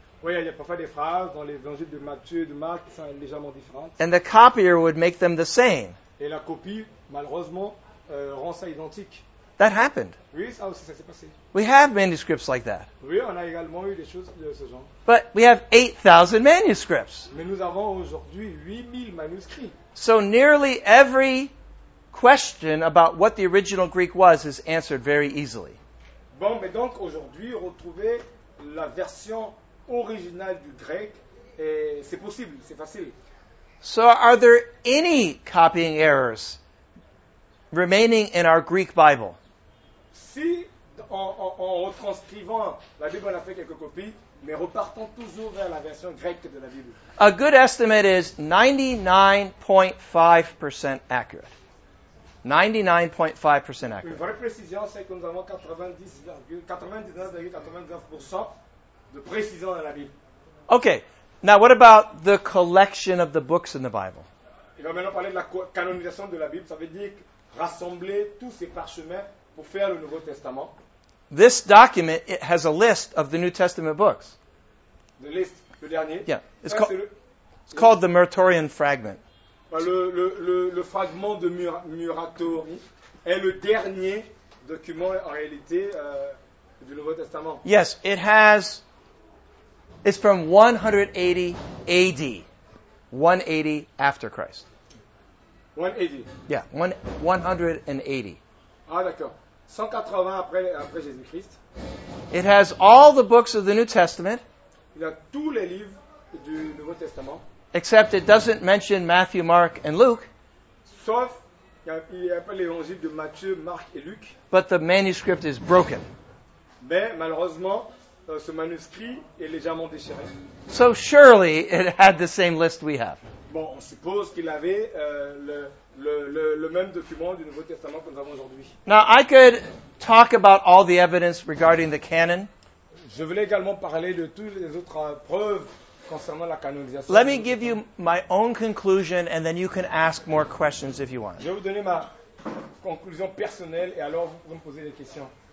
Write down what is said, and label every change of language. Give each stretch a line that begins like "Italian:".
French: Oui, il y a parfois des phrases dans l'évangile de Matthieu et de Marc qui sont légèrement différentes.
English: And the copier would make them the same.
French: Et la copie, malheureusement, rend ça identique.
English: That happened.
French: Oui, ça aussi, ça s'est passé.
English: We have manuscripts like that.
French: Oui, on a également eu des choses de ce genre.
English: But we have 8,000 manuscripts.
French: Mais nous avons aujourd'hui 8,000 manuscrits.
English: So nearly every question about what the original Greek was is answered very easily.
French: Bon, mais donc aujourd'hui, retrouver la version originale du grec, et c'est possible, c'est facile.
English: So are there any copying errors remaining in our Greek Bible?
French: Si en retranscrivant la Bible, on a fait quelques copies, mais repartons toujours vers la version grecque de la Bible.
English: A good estimate is 99.5% accurate. 99.5% accurate.
French: Une vraie précision, c'est que nous avons 99.99% de précision dans la Bible.
English: Okay. Now, what about the collection of the books in the Bible?
French: Il va maintenant parler de la canonisation de la Bible. Ça veut dire rassembler tous ces parchemins pour faire le Nouveau Testament.
English: This document, it has a list of the New Testament books. The list,
French: le dernier.
English: Yeah. It's called the Muratorian Fragment.
French: Le fragment de Muratori est le dernier document, en réalité, du Nouveau Testament.
English: Yes, it has... It's from 180 A.D., 180 after Christ. 180? Yeah, 180.
French: Ah, d'accord. 180 après Jésus-Christ.
English: It has all the books of the New Testament.
French: Il a tous les livres du Nouveau Testament.
English: Except it doesn't mention Matthew, Mark, and Luke.
French: Sauf, il n'y a pas l'évangile de Matthieu, Marc et Luc.
English: But the manuscript is broken.
French: Mais malheureusement, ce manuscrit est légèrement déchiré.
English: So surely it had the same list we have.
French: Bon, on suppose qu'il avait le même document du Nouveau Testament que nous avons aujourd'hui.
English: Now I could talk about all the evidence regarding the canon.
French: Je voulais également parler de toutes les autres preuves concernant la canonisation.
English: Let me give you my own conclusion and then you can ask more questions if you want.
French: Je vais vous donner ma conclusion personnelle et alors vous pouvez me poser des questions.